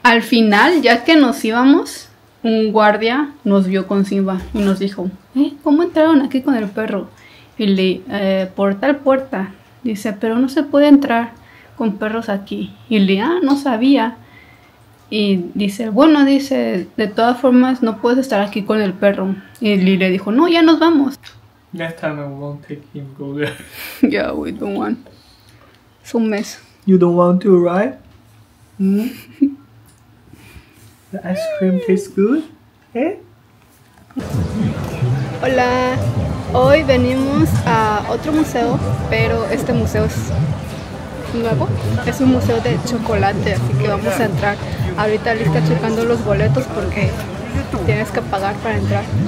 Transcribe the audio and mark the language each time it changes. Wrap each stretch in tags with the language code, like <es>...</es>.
<es>Al final, ya que nos íbamos, un guardia nos vio con Simba y nos dijo, ¿cómo entraron aquí con el perro? Y le por tal puerta. Dice, pero no se puede entrar con perros aquí. Y le no sabía. Y dice, bueno, dice, de todas formas no puedes estar aquí con el perro. Y Lee le dijo, no, ya nos vamos.</es> <en>Next time I won't take him go there. Yeah, we don't want.</en> <es>Es un mes.</es> <en>You don't want to ride? The ice cream tastes good?</en> <es>Hola. Hoy venimos a otro museo, pero este museo es nuevo. Es un museo de chocolate, así que vamos a entrar. Ahorita Liz está checando los boletos porque tienes que pagar para entrar.</es>